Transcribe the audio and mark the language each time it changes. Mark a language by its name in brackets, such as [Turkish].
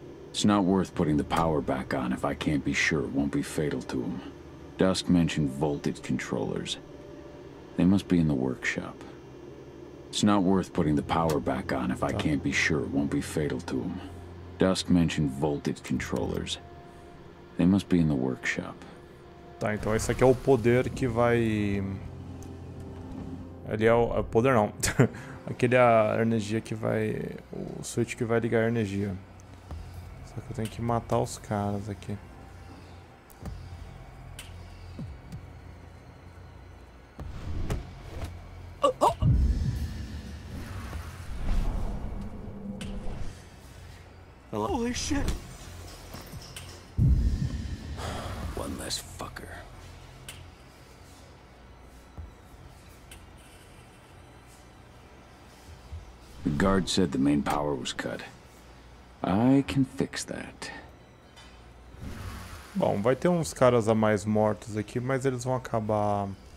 [English] It's not worth putting the power back on if I can't be sure it won't be fatal to him. Dusk mentioned voltage controllers. They must be in the workshop. It's not worth putting the power back on if I can't be sure it won't be fatal to him. Dusk mentioned voltage controllers. They must be in the workshop. [Portuguese] Tá, então esse aqui é o poder que vai. Ali é o poder não. Aquele é a energia que vai. O switch que vai ligar a energia. Só que eu tenho que matar os caras aqui. [English] Holy shit! One less fucker. The guard said the main power was cut. I can fix that. [Portuguese] Bom, vai ter uns caras a mais mortos aqui, mas eles vão acabar.